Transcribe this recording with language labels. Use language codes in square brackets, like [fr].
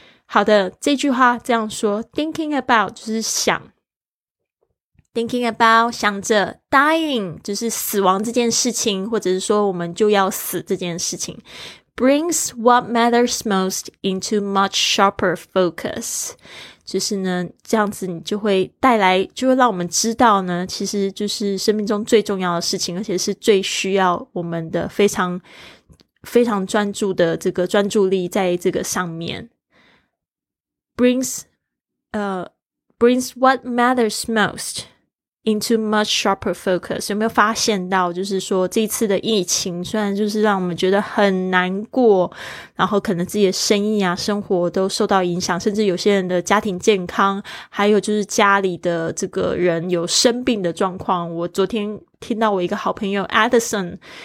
[zh] 好的，这句话这样说， thinking about 就是想， thinking about 想着， dying 就是死亡这件事情，或者是说我们就要死这件事情， [en] brings what matters most into much sharper focus， [zh] 就是呢这样子你就会带来，就会让我们知道呢，其实就是生命中最重要的事情，而且是最需要我们的非常非常专注的这个专注力在这个上面。 [en] Brings what matters most into much sharper focus. [zh] 有没有发现到，就是说这次的疫情虽然就是让我们觉得很难过，然后可能自己的生意啊生活都受到影响，甚至有些人的家庭健康，还有就是家里的这个人有生病的状况。我昨天听到我一个好朋友 Addison，